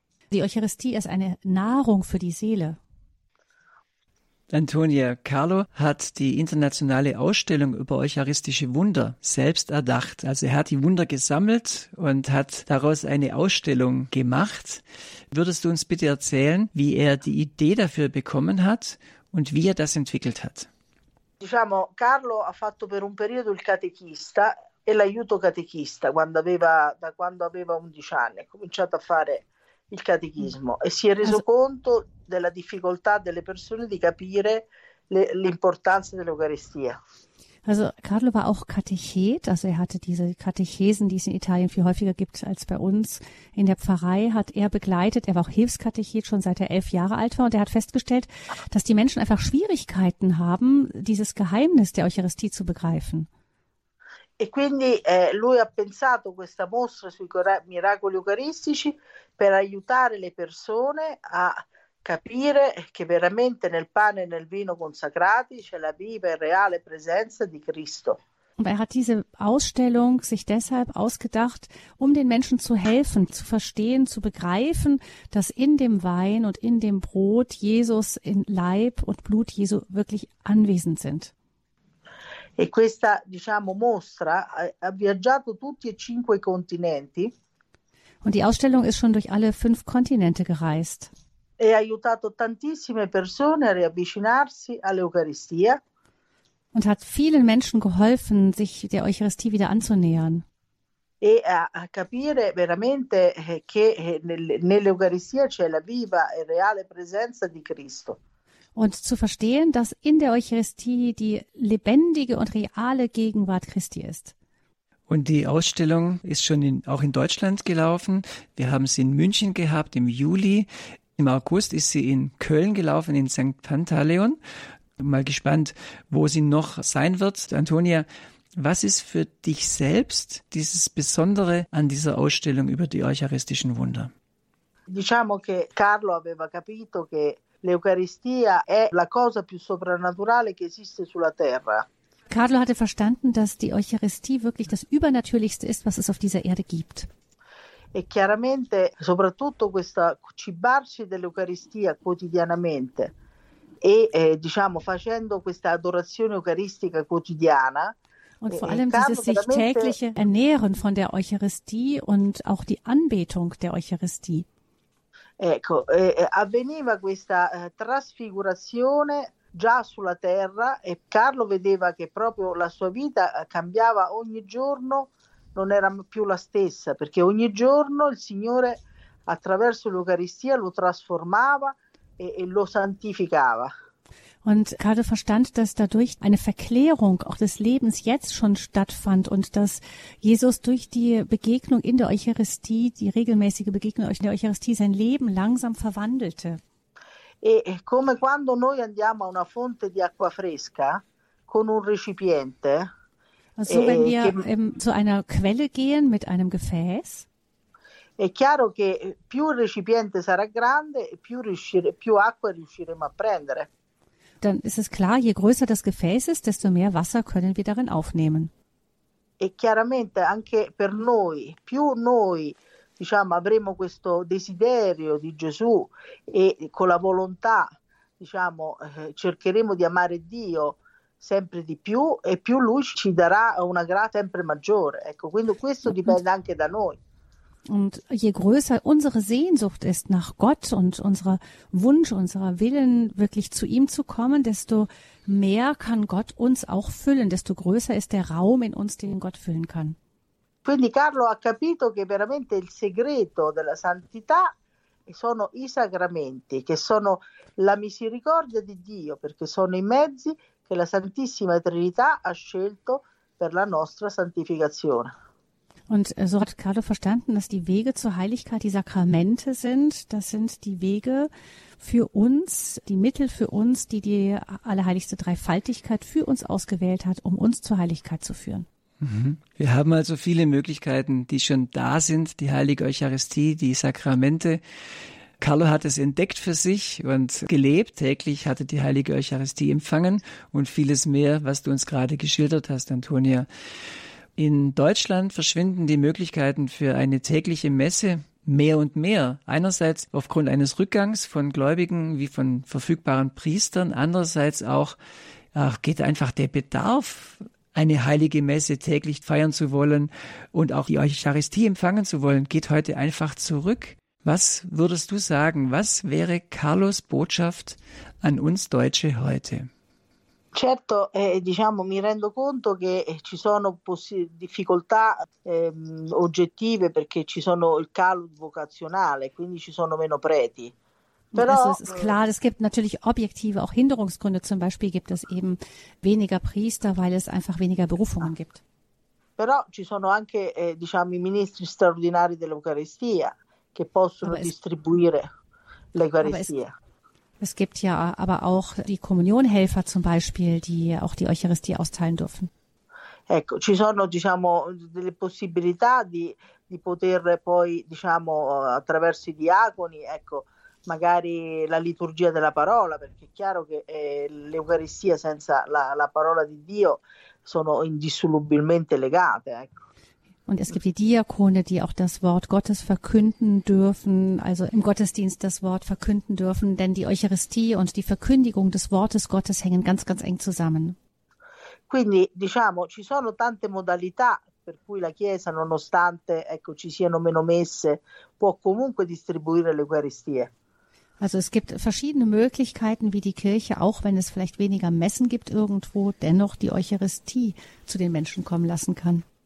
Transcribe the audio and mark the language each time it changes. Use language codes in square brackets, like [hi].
[de] Die Eucharistie ist eine Nahrung für die Seele. Antonia, Carlo hat die internationale Ausstellung über eucharistische Wunder selbst erdacht. Also er hat die Wunder gesammelt und hat daraus eine Ausstellung gemacht. Würdest du uns bitte erzählen, wie er die Idee dafür bekommen hat und wie er das entwickelt hat? [it] Diciamo, Carlo ha fatto per un periodo il catechista e l'aiuto catechista da quando aveva 11 anni. Ha cominciato a fare il catechismo e si è reso conto della difficoltà delle persone di capire l'importanza dell'Eucaristia. [de] Also Carlo war auch Katechet, also er hatte diese Katechesen, die es in Italien viel häufiger gibt als bei uns in der Pfarrei, hat er begleitet. Er war auch Hilfskatechet schon seit er 11 Jahre alt war und er hat festgestellt, dass die Menschen einfach Schwierigkeiten haben, dieses Geheimnis der Eucharistie zu begreifen. [it] E quindi lui ha pensato questa mostra sui miracoli eucaristici per aiutare le persone a capire che veramente nel pane e nel vino consacrati c'è la viva e reale presenza di Cristo. [de] Er hat diese Ausstellung sich deshalb ausgedacht, um den Menschen zu helfen, zu verstehen, zu begreifen, dass in dem Wein und in dem Brot Jesus in Leib und Blut Jesu wirklich anwesend sind. [it] E questa, diciamo, mostra ha viaggiato tutti e cinque i continenti. [de] Und die Ausstellung ist schon durch alle 5 Kontinente gereist. [it] E ha aiutato tantissime persone a riavvicinarsi all'Eucaristia. [de] Und hat vielen Menschen geholfen, sich der Eucharistie wieder anzunähern. [it] E a capire veramente che nell'Eucaristia c'è la viva e reale presenza di Cristo. [de] Und zu verstehen, dass in der Eucharistie die lebendige und reale Gegenwart Christi ist. Und die Ausstellung ist schon auch in Deutschland gelaufen. Wir haben sie in München gehabt im Juli. Im August ist sie in Köln gelaufen, in St. Pantaleon. Mal gespannt, wo sie noch sein wird. Antonia, was ist für dich selbst dieses Besondere an dieser Ausstellung über die eucharistischen Wunder? [it] Diciamo che Carlo aveva capito che l'Eucaristia è la cosa più soprannaturale che esiste sulla terra. [de] Carlo hatte verstanden, dass die Eucharistie wirklich das Übernatürlichste ist, was es auf dieser Erde gibt. [it] E chiaramente, soprattutto questa cibarsi dell'Eucaristia quotidianamente e diciamo facendo questa adorazione eucaristica quotidiana. [de] Und vor allem dieses sich tägliche Ernähren von der Eucharistie und auch die Anbetung der Eucharistie. [it] Ecco, avveniva questa trasfigurazione già sulla terra e Carlo vedeva che proprio la sua vita cambiava ogni giorno, non era più la stessa, perché ogni giorno il Signore attraverso l'Eucaristia lo trasformava e lo santificava. [de] Und Carlo verstand, dass dadurch eine Verklärung auch des Lebens jetzt schon stattfand und dass Jesus durch die Begegnung in der Eucharistie, die regelmäßige Begegnung in der Eucharistie, sein Leben langsam verwandelte. [it] E come quando noi andiamo a una fonte di acqua fresca con un recipiente. [de] Also, wenn wir zu einer Quelle gehen mit einem Gefäß. [it] È chiaro che più il recipiente sarà grande, più acqua riusciremo a prendere. [de] Dann ist es klar, je größer das Gefäß ist, desto mehr Wasser können wir darin aufnehmen. [it] E chiaramente anche per noi, più noi diciamo avremo questo desiderio di Gesù e con la volontà diciamo cercheremo di amare Dio sempre di più e più lui ci darà una grazia sempre maggiore. Ecco, quindi questo dipende anche da noi. [de] Und je größer unsere Sehnsucht ist nach Gott und unser Wunsch, unser Willen, wirklich zu ihm zu kommen, desto mehr kann Gott uns auch füllen, desto größer ist der Raum in uns, den Gott füllen kann. [it] Quindi Carlo ha capito che veramente il segreto della santità sono i sacramenti, che sono la misericordia di Dio, perché sono i mezzi che la Santissima Trinità ha scelto per la nostra santificazione. [de] Und so hat Carlo verstanden, dass die Wege zur Heiligkeit die Sakramente sind. Das sind die Wege für uns, die Mittel für uns, die die allerheiligste Dreifaltigkeit für uns ausgewählt hat, um uns zur Heiligkeit zu führen. Wir haben also viele Möglichkeiten, die schon da sind, die Heilige Eucharistie, die Sakramente. Carlo hat es entdeckt für sich und gelebt, täglich hatte die Heilige Eucharistie empfangen und vieles mehr, was du uns gerade geschildert hast, Antonia. In Deutschland verschwinden die Möglichkeiten für eine tägliche Messe mehr und mehr. Einerseits aufgrund eines Rückgangs von Gläubigen wie von verfügbaren Priestern, andererseits auch geht einfach der Bedarf, eine heilige Messe täglich feiern zu wollen und auch die Eucharistie empfangen zu wollen, geht heute einfach zurück. Was würdest du sagen, was wäre Carlos Botschaft an uns Deutsche heute? [it] Certo, diciamo, mi rendo conto che ci sono difficoltà oggettive perché ci sono il calo vocazionale, quindi ci sono meno preti. Però, [de] es ist klar, es gibt natürlich objektive auch Hinderungsgründe, zum Beispiel gibt es eben weniger Priester, weil es einfach weniger Berufungen gibt. [it] Però ci sono anche diciamo i ministri straordinari dell'Eucaristia che possono distribuire l'Eucaristia. [de] Es gibt ja aber auch die Kommunionhelfer zum Beispiel, die auch die Eucharistie austeilen dürfen. [it] Ecco, ci sono diciamo delle possibilità di poter poi diciamo attraverso i diaconi, ecco, magari la liturgia della parola, perché è chiaro che l'Eucaristia senza la parola di Dio sono indissolubilmente legate, ecco. [de] Und es gibt die Diakone, die auch das Wort Gottes verkünden dürfen, also im Gottesdienst das Wort verkünden dürfen, denn die Eucharistie und die Verkündigung des Wortes Gottes hängen ganz, ganz eng zusammen. [it] Quindi, diciamo, ci sono tante modalità per cui la Chiesa, nonostante ecco, ci siano meno messe, può comunque distribuire l'Eucaristia. [de] Also es gibt verschiedene Möglichkeiten, wie die Kirche, auch wenn es vielleicht weniger Messen gibt irgendwo, dennoch die Eucharistie zu den Menschen kommen lassen kann.